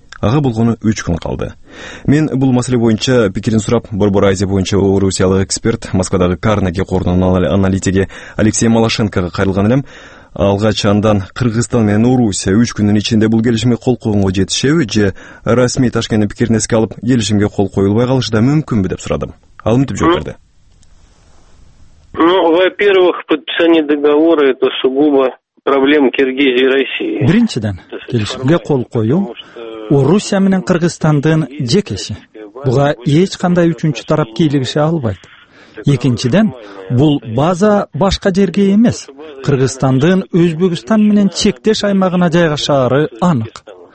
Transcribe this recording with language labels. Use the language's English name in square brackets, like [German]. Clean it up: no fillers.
[Kyrgyz] Ага болгону 3 күн калды. Мен бул маселе боюнча пикирин сурап, Борбор Азия боюнча орусиялык эксперт, Москвадагы Карнеги корунун аналитиги Алексей Малашенкага кайрылган элем. Алгач андан Кыргызстан менен Орусия 3 күндүн ичинде бул келишимге кол койгонго жетишеби же расмий Ташкенттин пикирин эске алып келишимге кол коюлбай калышы да мүмкүнбү деп сурадым. Ал мынтип жооп берди. [Russian] Ну, во-первых, подписание договора это сугубо проблема Киргизии и России. [Kyrgyz] Биринчиден, келишимге кол коюу Орусия менен Кыргызстандын жекеси. Буга эч кандай үчүнчү тарап кийлигише албайт. Экинчиден, бул база башка жерге эмес. Кыргызстандын Өзбекстан менен чектеш аймагына жайгашары анык.